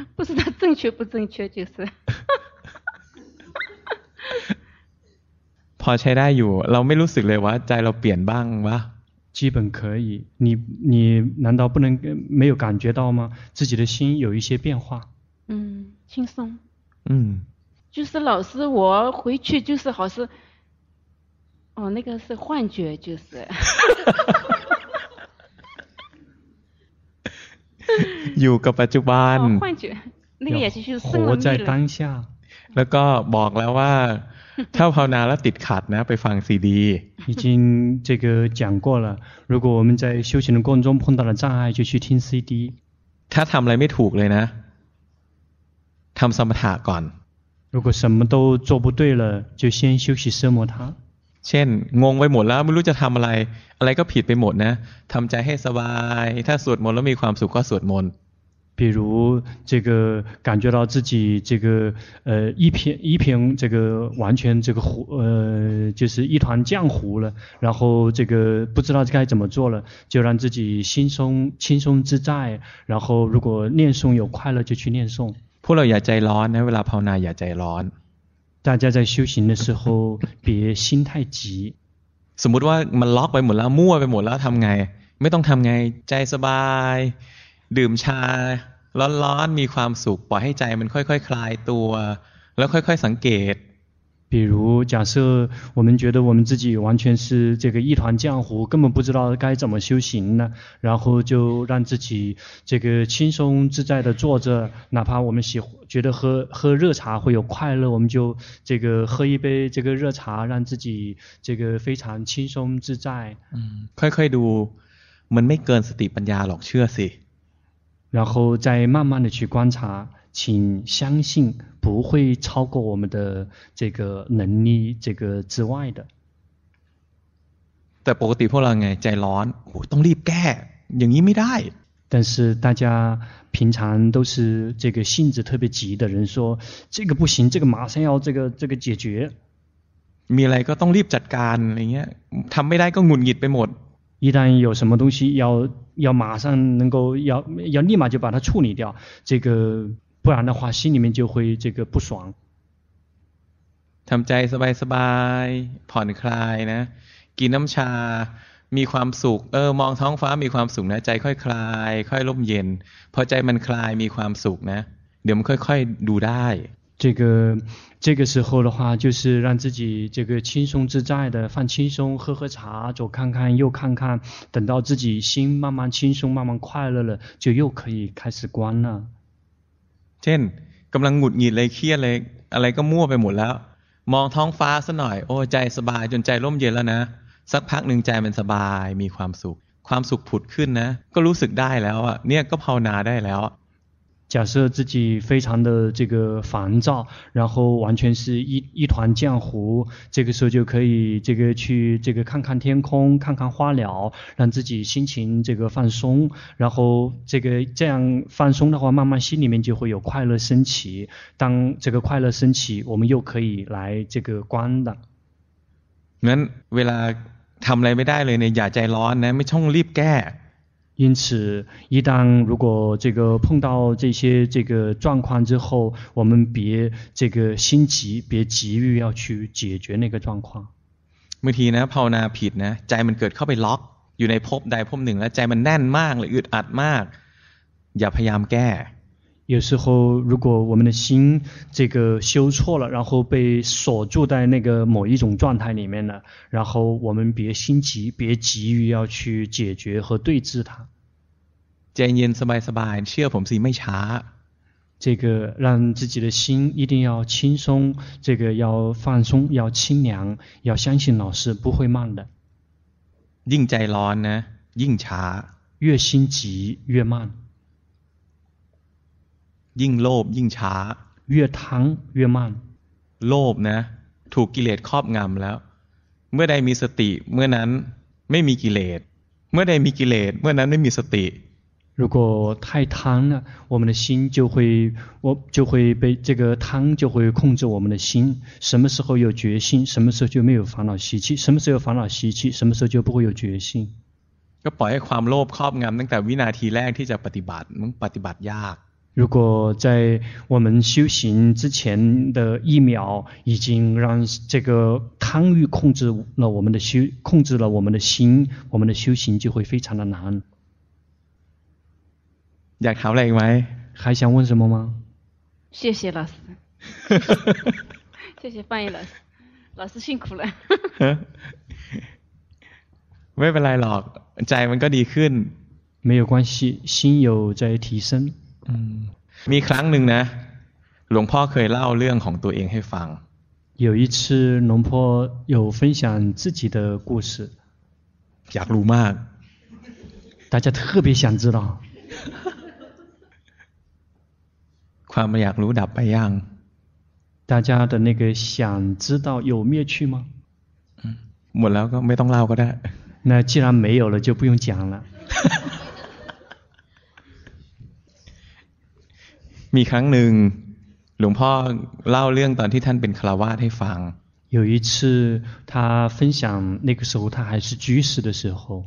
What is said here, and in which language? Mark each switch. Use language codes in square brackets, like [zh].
[zh] 不知道正确不正确就是 [th] พอใช้ได้อยู่เราไม่รู้สึกเลยว่าใจเราเปลี่ยนบ้างวะ [zh] 基本可以你难道不能没有感觉到吗自己的心有一些变化轻松嗯就是老师我回去就是好像哦，那个是幻觉，就是。 [th] อยู่กับปัจจุบัน [zh] 幻觉，那个也是就是活在当下。 [th] แล้วก็บอกแล้วว่าถ้าภาวนาแล้วติดขัดนะไปฟังซีดี [zh] 已经这个讲过了，如果我们在修行的过程中碰到了障碍，就去听 CD。 [th] ถ้าทำอะไรไม่ถูกเลยนะทำสมถะก่อน [zh] 如果什么都做不对了，就先休息奢摩他。 [th] เช่นงงไปหมดแล้วไม่รู้จะทำอะไรอะไรก็ผิดไปหมดนะทำใจให้สบายถ้าสวดมนต์แล้วมีความสุขก็สวดมนต์ [zh] 比如这个感觉到自己这个一瓶这个完全这个糊就是一团浆糊了，然后这个不知道该怎么做了，就让自己心松轻松自在，然后如果念诵有快乐就去念诵。 [th] พวกเราอย่าใจร้อนนะเวลาภาวนาอย่าใจร้อน [zh] 大家在修行的时候别心太急。 [th] สมมติว่ามันล็อกไปหมดแล้วมั่วไปหมดแล้วทำไงไม่ต้องทำไงใจสบายดื่มชาร้อนๆมีความสุขปล่อยให้ใจมันค่อยๆ คลายตัวแล้วค่อยๆสังเกต [zh] 比如假设我们觉得我们自己完全是这个一团浆糊根本不知道该怎么修行呢然后就让自己这个轻松自在的坐着哪怕我们喜欢觉得喝热茶会有快乐我们就这个喝一杯这个热茶让自己这个非常轻松自在 [th] ค่อยๆดูมันไม่เกินสติปัญญาหรอกเชื่อสิ [zh] 然后再慢慢的去观察，请相信不会超过我们的这个能力这个之外的。 [th] แต่ปกติพวกเราไงใจร้อนต้องรีบแก้อย่างนี้ไม่ได้ [zh] 但是大家平常都是这个性子特别急的人说这个不行这个马上要这个解决 [th] มีอะไรก็ต้องรีบจัดการอะไรเงี้ยทำไม่ได้ก็หงุดหงิดไปหมด [zh] 一旦有什么东西要马上能够要立马就把它处理掉，这个不然的话心里面就会这个不爽。 [th] ทำใจสบายสบายผ่อนคลายนะกินน้ำชามีความสุขมองท้องฟ้ามีความสุขนะใจค่อยคลายค่อยร่มเย็นพอใจมันคลายมีความสุขนะเดี๋ยวมันค่อยๆดูได้ [zh] 这个时候的话，就是让自己这个轻松自在的放轻松，喝喝茶，左看看右看看，等到自己心慢慢轻松、慢慢快乐了，就又可以开始观了。 [th] เช่นกำลังหงุดหงิดเลยเครียดเลยอะไรก็มั่วไปหมดแล้วมองท้องฟ้าสักหน่อยโอ้ใจสบายจนใจร่มเย็นแล้วนะสักพักหนึ่งใจมันสบายมีความสุขความสุขผุดขึ้นนะก็รู้สึกได้แล้วอ่ะเนี่ยก็ภาวนาได้แล้ว [zh] 假设自己非常的这个烦躁，然后完全是一团浆糊，这个时候就可以这个去这个看看天空，看看花鸟，让自己心情这个放松，然后这个这样放松的话，慢慢心里面就会有快乐升起。当这个快乐升起，我们又可以来这个观的。 [th] งั้นเวลาทำอะไรไม่ได้เลยเนี่ยอย่าใจร้อนนะไม่ต้องรีบแก้ [zh] 因此一旦如果这个碰到这些这个状况之后我们别这个心急别急于要去解决那个状况 [th] บางทีนะภาวนาผิดนะใจมันเกิดเข้าไปล็อกอยู่ในภพใดภพหนึ่งแล้วใจมันแน่นมากเลยอึดอัดมากอย่าพยายามแก้ [zh] 有时候如果我们的心这个修错了然后被锁住在那个某一种状态里面了然后我们别心急别急于要去解决和对治它 [th] ใจเย็นสบายสบายเชื่อผมสิไม่ช้า [zh] 这个让自己的心一定要轻松这个要放松要清凉要相信老师不会慢的 [th] ยิ่งใจร้อนนะยิ่งช้า [zh] 越心急越慢 [th] ยิ่งโลภยิ่งช้า [zh] 越贪越慢 [th] โลภนะถูกกิเลสครอบงำแล้วเมื่อใดมีสติเมื่อนั้นไม่มีกิเลสเมื่อใดมีกิเลสเมื่อนั้นไม่มีสติ [zh] 如果太贪了我们的心就会被这个贪就会控制我们的心什么时候有决心什么时候就没有烦恼习气什么时候有烦恼习气什么时候就不会有决心 [th] ก็ปล่อยให้ความโลภครอบงำตั้งแต่วินาทีแรกที่จะปฏิบัติมันปฏิบัติยาก [zh] 如果在我们修行之前的一秒已经让这个贪欲控制了我们的心控制了我们的心我们的修行就会非常的难 [th] อยากถามอะไรอีกไหม [zh] 还想问什么吗谢谢老师谢谢翻译老师老师辛苦了。 [th] ไม่เป็นไรหรอกใจมันก็ดีขึ้น [zh] 没有关系心有在提升 [th] มีครั้งหนึ่งนะหลวงพ่อเคยเล่าเรื่องของตัวเองให้ฟัง [zh] 有一次龙坡有分享自己的故事 [th] อยากรู้มาก [zh] 大家特别想知道 [th] ความอยากรู้ดับไปยัง [zh] 大家的那个想知道有灭去吗 [th] หมดแล้วก็ไม่ต้องเล่าก็ได้ [zh] 那既然没有了就不用讲了 [th] มีครั้งหนึ่งหลวงพ่อเล่าเรื่องตอนที่ท่านเป็นคฤหัสถ์ให้ฟัง [zh] 有一次他分享那个时候他还是居士的时候